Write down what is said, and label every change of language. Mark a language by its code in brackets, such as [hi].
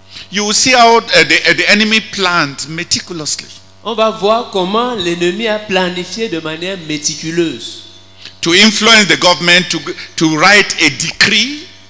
[en] you will see how the enemy planned meticulously. [fr] On va voir comment l'ennemi a planifié de manière méticuleuse. [en] To influence the government to write a decree.